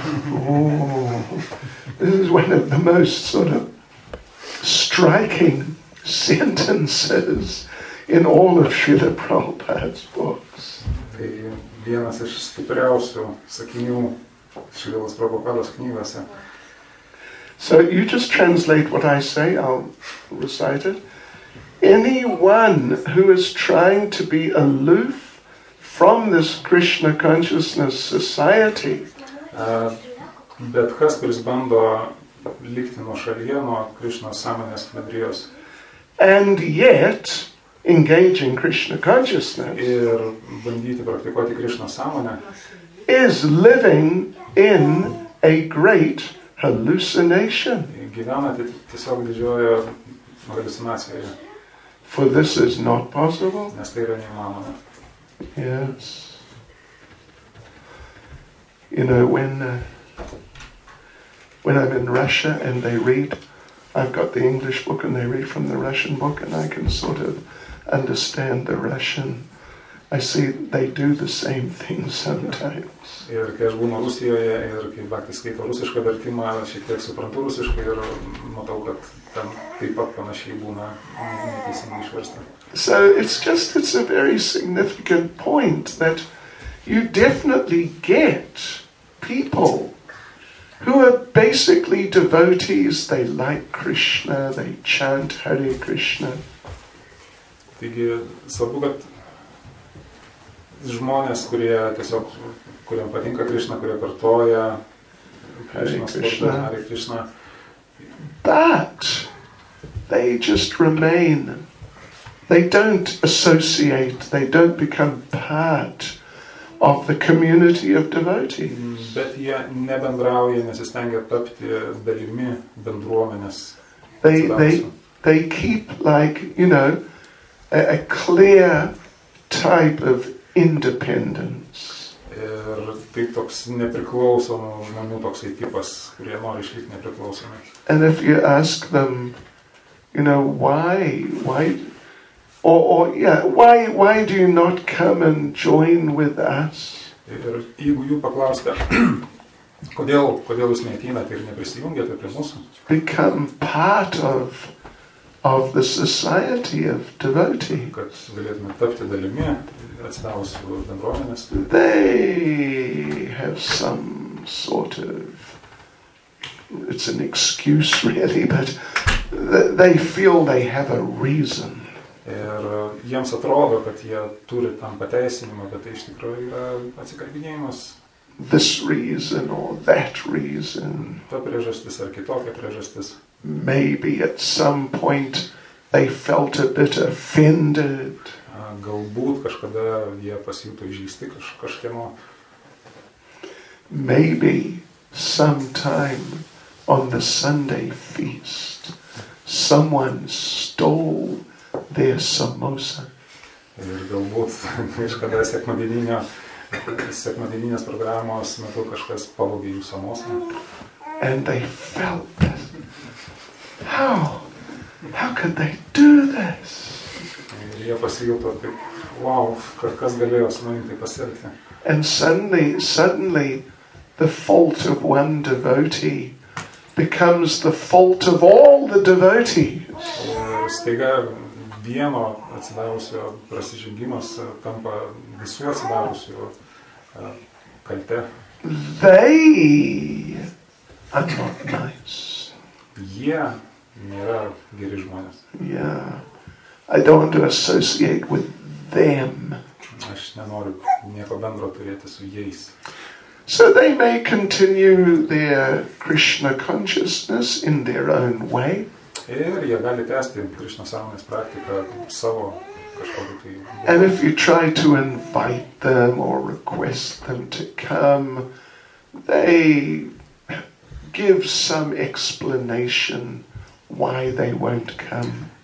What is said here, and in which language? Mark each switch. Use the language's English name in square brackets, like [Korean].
[English] Oh, this is one of the most sort of striking sentences in all of Srila Prabhupada's books. [Lithuanian] Tai vienas iš stipriausių sakinių Šrilos Prabhupados knygose. [English] So you just translate what I say, I'll recite it. Anyone who is trying to be aloof from this Krishna consciousness society, [Lithuanian] bet kas, kuris bando likti nuo šalyje, nuo Krishna sąmonės medrijos, [English] and yet engaging Krishna consciousness, [Lithuanian] ir bandyti praktikuoti Krishna sąmonę, [English] is living in a great hallucination. [Lithuanian] Gyvena tiesiog didžiojo halucinacijoje. [English] For this is not possible. [Lithuanian] Nes tai yra neįmanoma. [English] Yes. You know, when I'm in Russia and they read, I've got the English book and they read from the Russian book and I can sort of understand the Russian. I see they do the same thing sometimes. [Lithuanian] Ir kai aš būnu Rusijoje ir kai Bakti skaito rusišką vertimą, šiek tiek suprantu rusišką ir matau, kad ten taip pat panašiai būna neteisingai išversta. [English] So it's a very significant point that you definitely get people who are basically devotees, they like Krishna, they chant Hare Krishna. [Lithuanian] Taigi, svarbu, kad žmonės, kurie tiesiog, kuriam patinka Krishna, kurie kartoja Krishna, Hare Krishna. [English] But they just remain. They don't associate, they don't become part of the community of devotees. [Lithuanian] Bet jie nebendrauja, nesistengia tapti dalimi bendruomenės. [English] They keep like, you know, a clear type of independence. [Lithuanian] Ir tai toks nepriklausomų žmonių toksai tipas, kurie nori išlikti nepriklausomai. [English] And if you ask them, you know, why Why do you not come and join with us? [Lithuanian] Ir jeigu jų paklausite, kodėl jūs neateinate ir neprisijungiate prie mūsų? [English] Become part of the society of devotee. [Lithuanian] Kad galėtume tapti dalimi atsidavusių bendruomenės. [English] They have some sort of, it's an excuse really, but they feel they have a reason. [Lithuanian] Ir jiems atrodo, kad jie turi tam pateisinimą, bet tai iš tikrųjų yra atsikalbinėjimas. [English] This reason or that reason. [Lithuanian] Ta priežastis ar kitokia priežastis. [English] Maybe at some point they felt a bit offended. [Lithuanian] Galbūt kažkada jie pasijuto įžeisti kažkieno. [English] Maybe sometime on the Sunday feast someone stole their samosa. [Lithuanian] Ir galbūt kažkada sekmadieninės programos metu kažkas pavogė jų samosą. [English] And they felt this. How could they do this? [Lithuanian] Ir jie pasijuto taip, wow, kas galėjo su manim taip pasielgti. [English] And suddenly the fault of one devotee becomes the fault of all the devotees. [Lithuanian] Ir staiga vieno atsidavusio prasižengimas tampa visų atsidavusio kalte. [English] They are not nice. [Lithuanian] Jie nėra geri žmonės. [English] Yeah. I don't want to associate with them. [Lithuanian] Aš nenoriu nieko bendro turėti su jais. [English] So they may continue their Krishna consciousness in their own way. [Lithuanian] Ir jie gali tęsti Krishna sąmonės praktiką savo kažkokiu tai. [English] And if you try to invite them or request them to come, they give some explanation why they won't come.